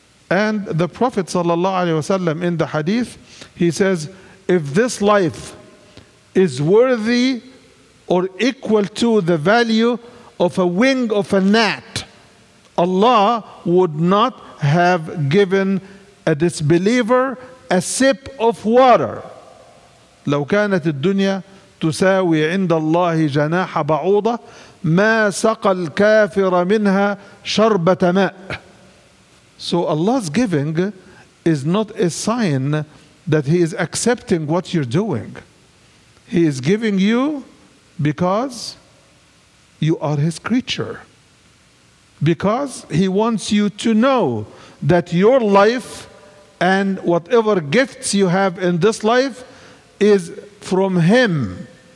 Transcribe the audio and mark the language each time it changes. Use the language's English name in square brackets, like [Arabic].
[English] And the Prophet sallallahu alaihi wasallam in the hadith, he says, if this life is worthy or equal to the value of a wing of a gnat, Allah would not have given a disbeliever a sip of water. [Arabic] لو كانت الدنيا تساوي عند الله جناح بعوضة ما سقى الكافر منها شربة ماء. [English] So Allah's giving is not a sign that He is accepting what you're doing. He is giving you because you are His creature. Because He wants you to know that your life and whatever gifts you have in this life is from Him.